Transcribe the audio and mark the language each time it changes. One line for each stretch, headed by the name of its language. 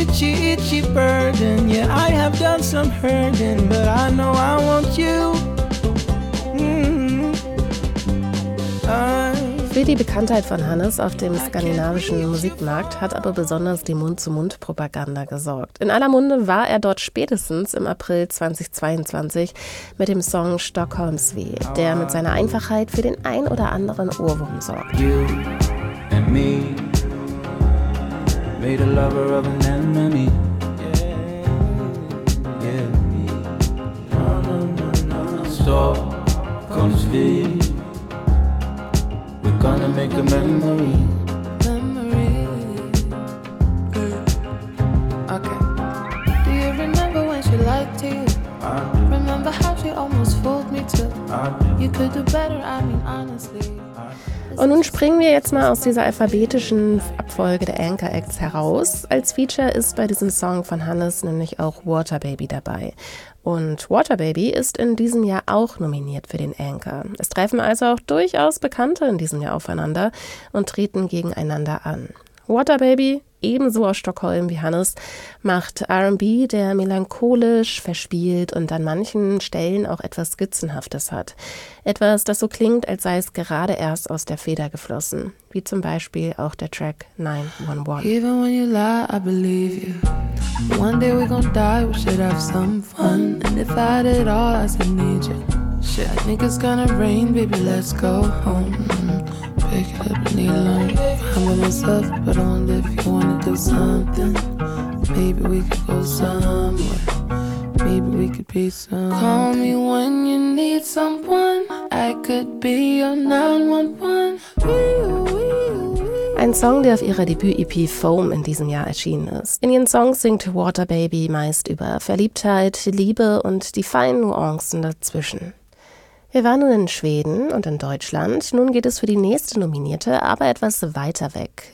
English: Itchy, itchy burden, yeah, I have done some hurting, but I know I want you.
German: Für die Bekanntheit von Hannes auf dem skandinavischen Musikmarkt hat aber besonders die Mund-zu-Mund-Propaganda gesorgt. In aller Munde war er dort spätestens im April 2022 mit dem Song Stockholms Weh, der mit seiner Einfachheit für den ein oder anderen Ohrwurm sorgt.
English: You and me made a lover of an enemy. Stockholms Weh. Gonna make a memory. Okay. Do you remember when she lied to you? Remember how she almost fooled me too? You could do better, I mean honestly.
German: Und nun springen wir jetzt mal aus dieser alphabetischen Abfolge der Anchor Acts heraus. Als Feature ist bei diesem Song von Hannes nämlich auch Water Baby dabei. Und Water Baby ist in diesem Jahr auch nominiert für den Anchor. Es treffen also auch durchaus Bekannte in diesem Jahr aufeinander und treten gegeneinander an. Water Baby, ebenso aus Stockholm wie Hannes, macht R&B, der melancholisch, verspielt und an manchen Stellen auch etwas Skizzenhaftes hat. Etwas, das so klingt, als sei es gerade erst aus der Feder geflossen. Wie zum Beispiel auch der Track 911.
English: Even when you lie, I believe you. One day we gon' die, we should have some fun. And if I did it all, I still need you. Shit, I think it's gonna rain, baby, let's go home. Pick up a needle, I'm with myself, but only if you wanna do something. Maybe we could go somewhere. Maybe we could be some. Call me when you need someone. I could be your 911.
German: Ein Song, der auf ihrer Debüt-EP Foam in diesem Jahr erschienen ist. In ihren Songs singt Water Baby meist über Verliebtheit, Liebe und die feinen Nuancen dazwischen. Wir waren nun in Schweden und in Deutschland. Nun geht es für die nächste Nominierte aber etwas weiter weg.